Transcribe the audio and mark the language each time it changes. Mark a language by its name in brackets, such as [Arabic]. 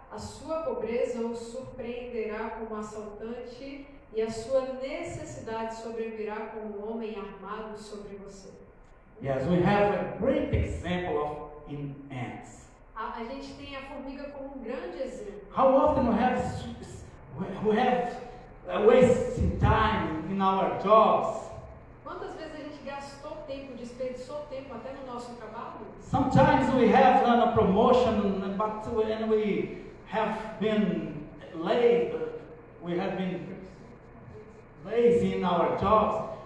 [Portuguese] A sua pobreza o surpreenderá como assaltante e a sua necessidade sobrevirá como um homem armado sobre você. [English] Yes, we have a great example of in ants. [Portuguese] A gente tem a formiga como um grande exemplo. [English] How often we have wasted time in our jobs? [Portuguese] Quantas vezes a gente gastou tempo, desperdiçou tempo tempo até no nosso trabalho? [English] Sometimes we have done a promotion, but when we have been late, we have been lazy in our jobs.